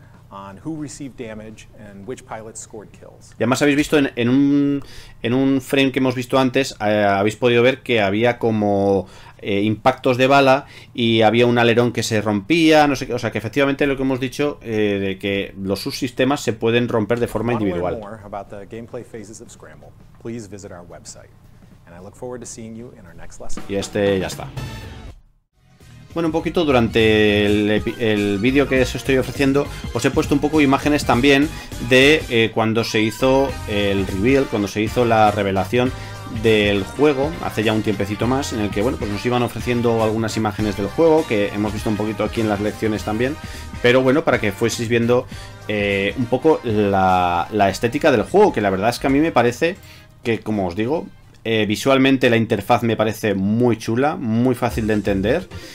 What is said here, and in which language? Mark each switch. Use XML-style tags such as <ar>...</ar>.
<en>On who received damage and which pilot scored kills.</en> <es>Y además habéis visto en un frame que hemos visto antes, habéis podido ver que había como impactos de bala y había un alerón que se rompía, no sé qué, o sea que efectivamente lo que hemos dicho de que los subsistemas se pueden romper de forma individual.</es> <en>Want to learn more about the gameplay phases of Scramble, please visit our website. And I look forward to seeing you in our next lesson.</en> <es>Y este ya está. Bueno, un poquito durante el vídeo que os estoy ofreciendo, os he puesto un poco imágenes también de cuando se hizo el reveal, cuando se hizo la revelación del juego, hace ya un tiempecito más, en el que, bueno, pues nos iban ofreciendo algunas imágenes del juego, que hemos visto un poquito aquí en las lecciones también, pero bueno, para que fueseis viendo un poco la estética del juego, que la verdad es que a mí me parece que, como os digo, visualmente la interfaz me parece muy chula, muy fácil de entender.</es>